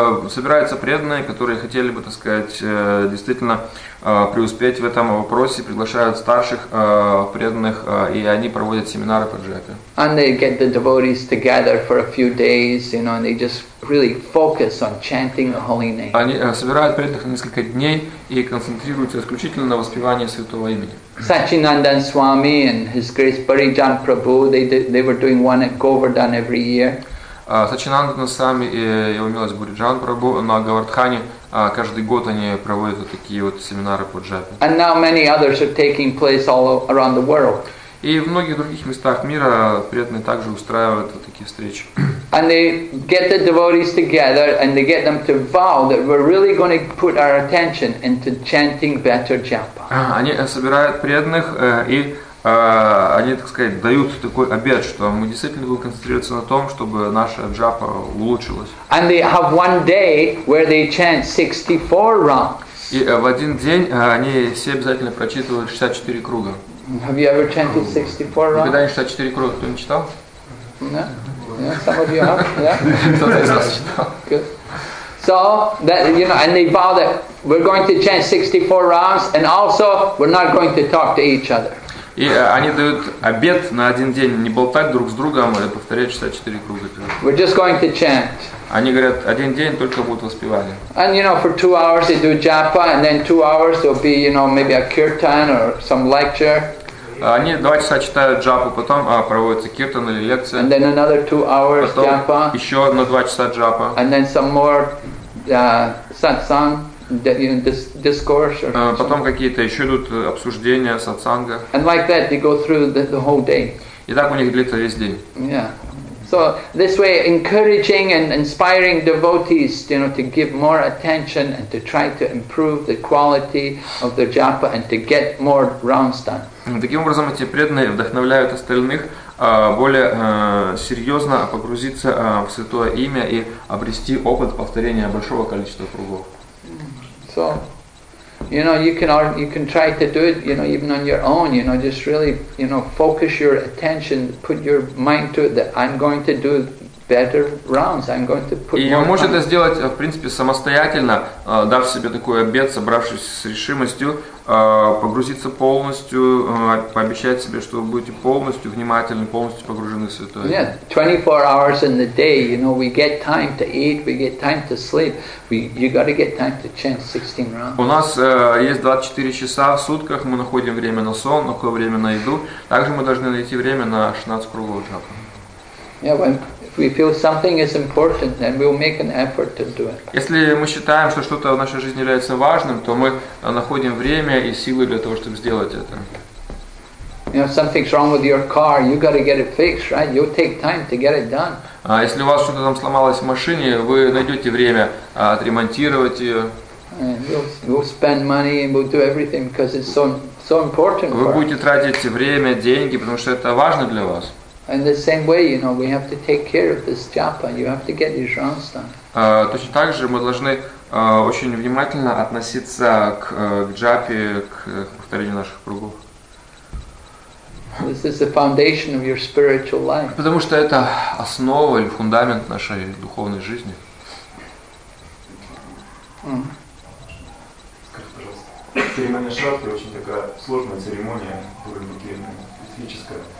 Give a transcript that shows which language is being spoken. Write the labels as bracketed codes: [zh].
[ru] Собираются преданные, которые хотели бы, так сказать, действительно преуспеть в этом вопросе, приглашают старших преданных, и они проводят семинары по джапе. [en] And they get the devotees together for a few days, you know, and they just really focus on chanting the holy name. [ru] Они собирают преданных на несколько дней и концентрируются исключительно на воспевании святого имени. [en] Sachinandan Swami and His Grace Parijan Prabhu, they were doing one at Govardhan every year. [ru] Сачинандана Свами и его милость Буриджан Прабху на Говардхане каждый год они проводят вот такие вот семинары по джапе. [en] And now many others are taking place all around the world. [ru] И в многих других местах мира преданные также устраивают вот такие встречи. [en] And they get the devotees together and they get them to vow that we're really going to put our attention into chanting better japa. [ru] Они собирают преданных и они, так сказать, дают такой обет, что мы действительно будем концентрироваться на том, чтобы наша джапа улучшилась. [en] And they have one day where they chant 64 rounds. [ru] И в один день они все обязательно прочитывают 64 круга. [en] Have you ever chanted 64 rounds? [ru] Никогда не 64 круга, кто не читал? [en] No. Yeah, some of you have. Yeah. Good. So that, you know, and they vow that we're going to chant 64 rounds, and also we're not going to talk to each other. [ru] И они дают обет на один день не болтать друг с другом и повторять 64 круга. [en] We're just going to chant. [ru] Они говорят, один день только будут воспевали. [en] And you know, for 2 hours they do japa, and then 2 hours there'll be, you know, maybe a kirtan or some lecture. [ru] Они 2 часа читают джапу, потом проводится киртан или лекция. [en] And then another 2 hours japa. [ru] Еще на 2 часа джапа. [en] And then some more satsang. Discourse or [ru] потом какие-то еще идут обсуждения сатсанга. [en] And like that, they go through the whole day. [ru] И так у них длится весь день. [en] Yeah. So this way, encouraging and inspiring devotees, you know, to give more attention and to try to improve the quality of their japa and to get more rounds done. [ru] Таким образом, эти преданные вдохновляют остальных более серьезно погрузиться в святое имя и обрести опыт повторения большого количества кругов. [en] So, you know, you can try to do it, you know, even on your own, you know, just really, you know, focus your attention, put your mind to it, that I'm going to do better rounds, I'm going to put more. [ru] И вы можете это сделать, в принципе, самостоятельно, дав себе такой обет, собравшись с решимостью, погрузиться полностью, пообещать себе, что вы будете полностью внимательны, полностью погружены в святое. [en] Yeah, 24 hours in the day, you know, we get time to eat, we get time to sleep, you got to get time to chant 16 rounds. [ru] У нас есть 24 часа в сутках, мы находим время на сон, находим время на еду, также мы должны найти время на 16 кругов джапа. [en] Yeah, when we feel something is important, then we'll make an effort to do it. [ru] Если мы считаем, что что-то в нашей жизни является важным, то мы находим время и силы для того, чтобы сделать это. [en] You know, something's wrong with your car, you got to get it fixed, right? You'll take time to get it done. [ru] Если у вас что-то там сломалось в машине, вы найдете время отремонтировать ее. [en] We'll spend money and we'll do everything because it's so important. [ru] Вы будете тратить время, деньги, потому что это важно для вас. [en] In the same way, you know, we have to take care of this japa. You have to get these rounds done. [ru] Точно так же мы должны очень внимательно относиться к джапе, к повторению наших кругов. [en] This is the foundation of your spiritual life. [ru] Потому что это основа или фундамент нашей духовной жизни. Церемония шатки очень такая сложная церемония, уровень физическая.